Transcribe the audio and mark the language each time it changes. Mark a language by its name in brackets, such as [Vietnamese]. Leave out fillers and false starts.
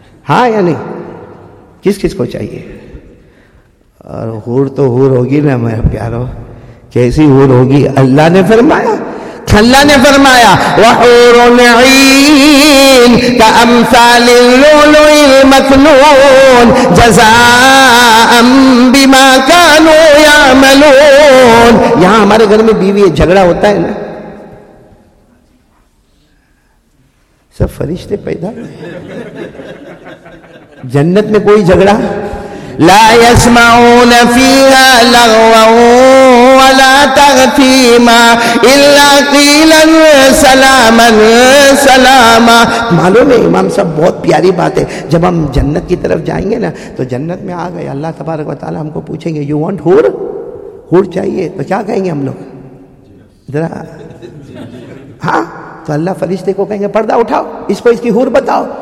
[Urdu] ہاں یا نہیں, کس کس کو چاہیے؟ اور ہور تو ہور ہوگی نا میرا پیارو, کیسی ہور ہوگی؟ اللہ نے فرمایا, اللہ نے فرمایا [Arabic] وحور عین کامثال اللؤلؤ المکنون جزاء بما كانوا يعملون. [Urdu] یہاں ہمارے گھر میں بیوی ہے, جھگڑا ہوتا ہے نا, سب فرشتے پیدا. جنت میں کوئی جھگڑا؟ [Arabic] لا يسمعون فيها لغوا ولا تغتيما الا قيلا سلاما سلاما. [Urdu] معلوم ہے امام صاحب بہت پیاری بات ہے, جب ہم جنت کی طرف جائیں گے نا تو جنت میں آ گئے اللہ تبارک و تعالیٰ ہم کو پوچھیں گے [English] you want [Urdu] ہور, ہور چاہیے تو کیا کہیں گے ہم لوگ ذرا؟ ہاں تو اللہ فرشتے کو کہیں گے پردہ اٹھاؤ, اس کو اس کی ہور بتاؤ.